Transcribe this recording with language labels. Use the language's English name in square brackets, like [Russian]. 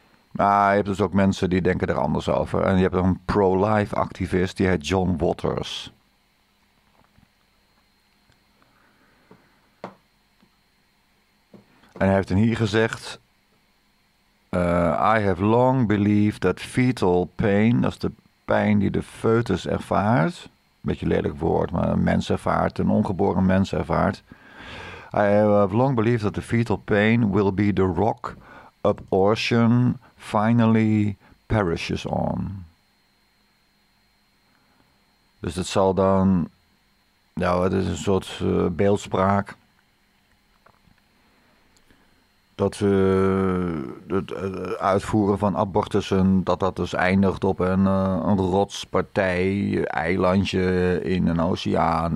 [Dutch] Maar je hebt dus ook mensen die denken er anders over. En je hebt een pro-life activist, die heet John Waters. En hij heeft hier gezegd... [English] I have long believed that fetal pain, [Dutch] dat is de... pijn die de foetus ervaart, een beetje lelijk woord, maar een mens ervaart, een ongeboren mens ervaart. [English] I have long believed that the fetal pain will be the rock abortion finally perishes on. [Dutch] Dus het zal dan, nou, het is een soort beeldspraak. Dat het uitvoeren van abortussen, dat dus eindigt op een rotspartij, eilandje in een oceaan.